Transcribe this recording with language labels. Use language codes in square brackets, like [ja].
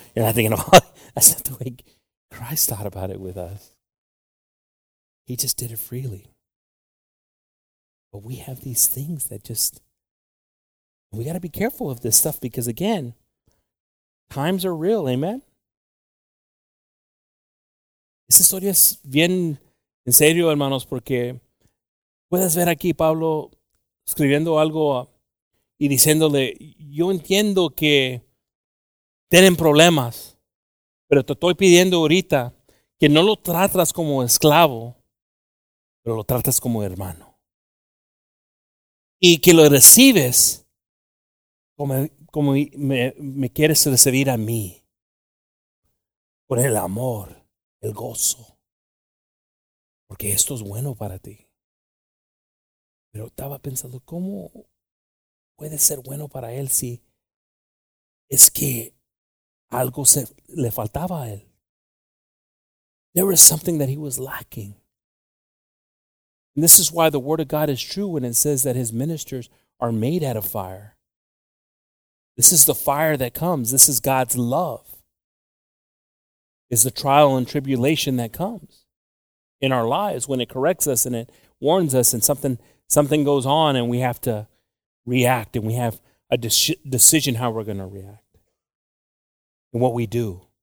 [en] You're not thinking of, oh, that's not the way Christ thought about it with us. He just did it freely. But we have these things that just, we got to be careful of this stuff, because again, times are real, amen? [es] Esta historia es bien en serio, hermanos, porque puedes ver aquí Pablo escribiendo algo y diciéndole, yo entiendo que tienen problemas. Pero te estoy pidiendo ahorita que no lo tratas como esclavo, pero lo tratas como hermano. Y que lo recibes como me quieres recibir a mí. Con el amor, el gozo. Porque esto es bueno para ti. Pero estaba pensando, ¿cómo puede ser bueno para él si es que algo se le faltaba a él. [en] There was something that he was lacking. And this is why the word of God is true when it says that his ministers are made out of fire. This is the fire that comes. This is God's love. It's the trial and tribulation that comes in our lives when it corrects us and it warns us and something goes on and we have to react and we have a decision how we're going to react and what we do.